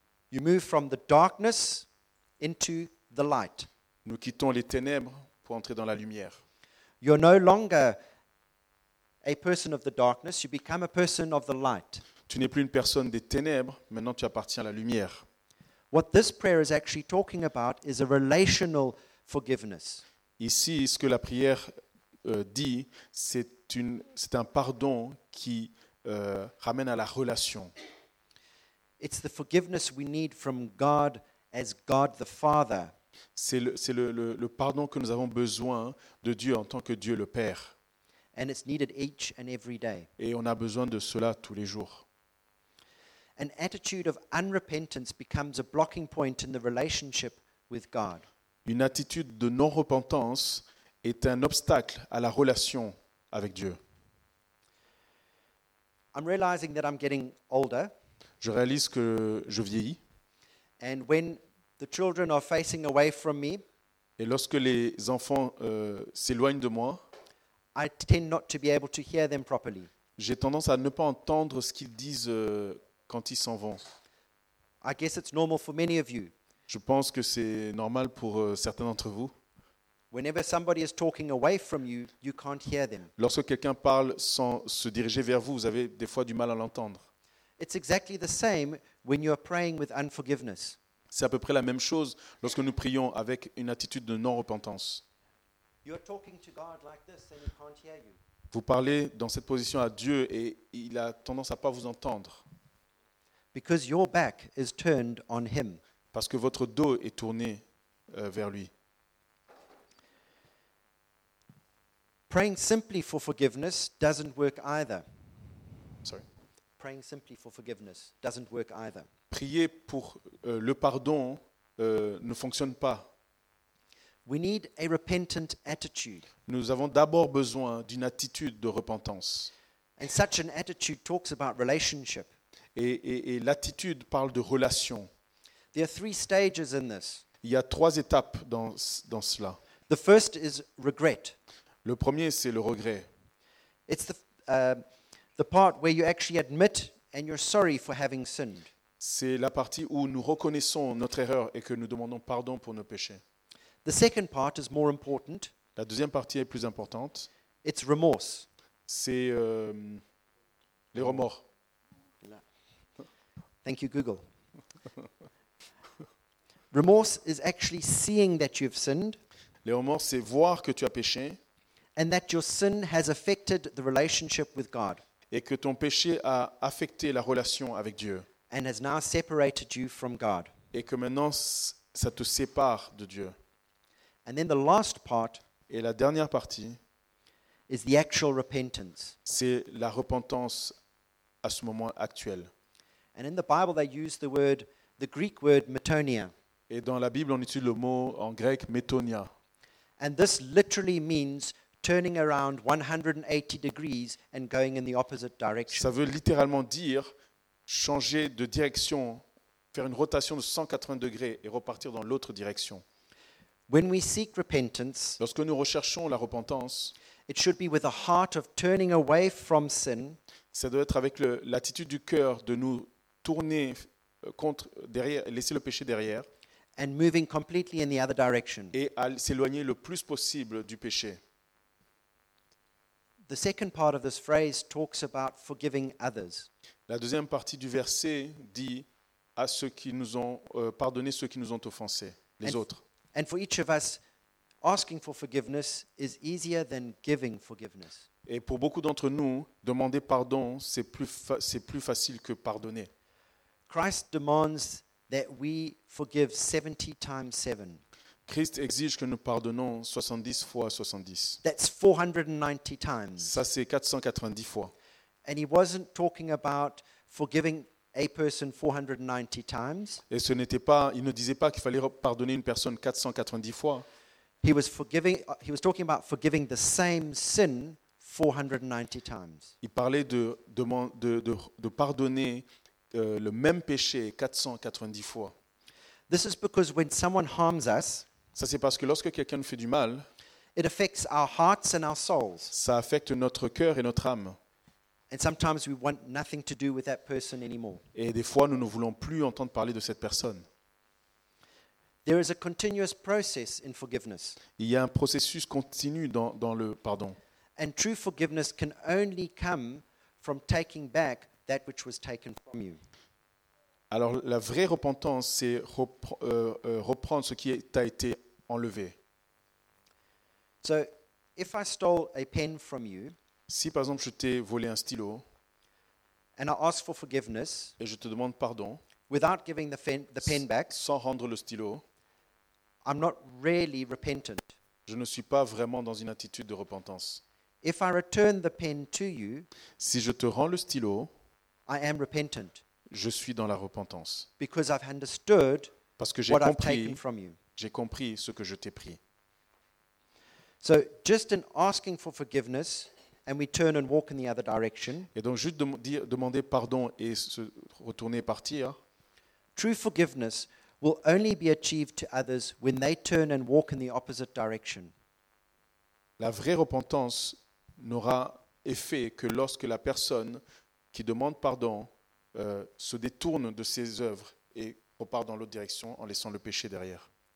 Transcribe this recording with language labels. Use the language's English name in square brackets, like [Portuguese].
[English] You move from the darkness into the light. [French] Nous quittons les ténèbres pour entrer dans la lumière. [English] You're no longer a person of the darkness, you become a person of the light. [French] Tu n'es plus une personne des ténèbres, maintenant tu appartiens à la lumière. [English] What this prayer is actually talking about is a relational forgiveness. [French] Ici, ce que la prière dit, c'est un pardon qui ramène à la relation. [English] It's the forgiveness we need from God as God the Father. [French] C'est le pardon que nous avons besoin de Dieu en tant que Dieu le Père. [English] And it's needed each and every day. [French] Et on a besoin de cela tous les jours. [English] An attitude of unrepentance becomes a blocking point in the relationship with God. [French] Une attitude de non-repentance est un obstacle à la relation avec Dieu. [English] I'm realizing that I'm getting older. [French] Je réalise que je vieillis. [English] And when the children are facing away from me, [French] et lorsque les enfants s'éloignent de moi, [English] I tend not to be able to hear them properly. [French] J'ai tendance à ne pas entendre ce qu'ils disent quand ils s'en vont. [English] I guess it's normal for many of you. [French] Je pense que c'est normal pour certains d'entre vous. [English] Whenever somebody is talking away from you, you can't hear them. [French] Lorsque quelqu'un parle sans se diriger vers vous, vous avez des fois du mal à l'entendre. [English] It's exactly the same when you are praying with unforgiveness. [French] C'est à peu près la même chose lorsque nous prions avec une attitude de non-repentance. [English] You're talking to God like this and he can't hear you. [French] Vous parlez dans cette position à Dieu et il a tendance à pas vous entendre. [English] Because your back is turned on him. [French] Parce que votre dos est tourné vers lui. [English] Praying simply for forgiveness doesn't work either. Sorry. Praying simply for forgiveness doesn't work either. [French] Prier pour le pardon ne fonctionne pas. [English] We need a repentant attitude. [French] Nous avons d'abord besoin d'une attitude de repentance. [English] And such an attitude talks about relationship. [French] Et l'attitude parle de relation. [English] There are three stages in this. [French] Il y a trois étapes dans cela. [English] The first is regret. [French] Le premier, c'est le regret. [English] It's the part where you actually admit and you're sorry for having sinned. [French] C'est la partie où nous reconnaissons notre erreur et que nous demandons pardon pour nos péchés. [English] The second part is more important. [French] La deuxième partie est plus importante. [English] It's remorse. [French] C'est les remords. [English] Thank you, Google. Remorse is actually seeing that you've sinned. [French] Les remords, c'est voir que tu as péché. [English] And that your sin has affected the relationship with God. [French] Et que ton péché a affecté la relation avec Dieu. [English] And has now separated you from God. [French] Et que maintenant ça te sépare de Dieu. [English] And then the last part. [French] Et la dernière partie. [English] Is the actual repentance. [French] C'est la repentance à ce moment actuel. [English] And in the Bible, they use the word, the Greek word, metonia. [French] Et dans la Bible, on utilise le mot en grec metonia. [English] And this literally means turning around 180 degrees and going in the opposite direction. [French] Ça veut littéralement dire changer de direction, faire une rotation de 180 degrés et repartir dans l'autre direction. [English] When we seek repentance, [French] lorsque nous recherchons la repentance, [English] it should be with a heart of turning away from sin. [French] Ça doit être avec l'attitude du cœur de nous tourner contre derrière, laisser le péché derrière. [English] And moving completely in the other direction. [French] Et à s'éloigner le plus possible du péché. [English] The second part of this phrase talks about forgiving others. [French] La deuxième partie du verset dit à ceux qui nous ont pardonné ceux qui nous ont offensés, les autres. [English] And for each of us, asking for forgiveness is easier than giving forgiveness. [French] Et pour beaucoup d'entre nous, demander pardon, c'est plus facile que pardonner. [English] Christ demands that we forgive 70 times 7. [French] Christ exige que nous pardonnons 70 fois 70. [English] That's 490 times. [French] Ça c'est 490 fois. [English] And he wasn't talking about forgiving a person 490 times. [French] Et ce n'était pas, il ne disait pas qu'il fallait pardonner une personne 490 fois. [English] He was talking about forgiving the same sin 490 times. [French] Il parlait de pardonner le même péché 490 fois. [English] This is because when someone harms us, [French] ça c'est parce que lorsque quelqu'un nous fait du mal, [English] it affects our hearts and our souls. [French] Ça affecte notre cœur et notre âme. [English] And sometimes we want nothing to do with that person anymore. [French] Et des fois nous ne voulons plus entendre parler de cette personne. [English] There is a continuous process in forgiveness. [French] Il y a un processus continu dans le pardon. [English] And true forgiveness can only come from taking back that which was taken from you. [French] Alors la vraie repentance, c'est reprendre ce qui t'a été enlevé. [English] So, if I stole a pen from you, [French] si par exemple je t'ai volé un stylo, [English] and I ask for forgiveness, [French] et je te demande pardon, [English] without giving the pen back, [French] sans rendre le stylo, [English] I'm not really repentant. [French] Je ne suis pas vraiment dans une attitude de repentance. [English] If I return the pen to you, [French] si je te rends le stylo, [English] I am repentant. [French] Je suis dans la repentance. [English] Because I've understood [French] parce que j'ai [English] what [French] compris, [English] I've taken from you. [French] J'ai compris ce que je t'ai pris. [English] So just in asking for forgiveness and we turn and walk in the other direction. [French] Et donc juste demander pardon et se retourner partir. [English] True forgiveness will only be achieved to others when they turn and walk in the opposite direction. [French] La vraie repentance n'aura effet que lorsque la personne qui demande pardon se détourne de ses œuvres et repart dans l'autre direction en laissant le péché derrière.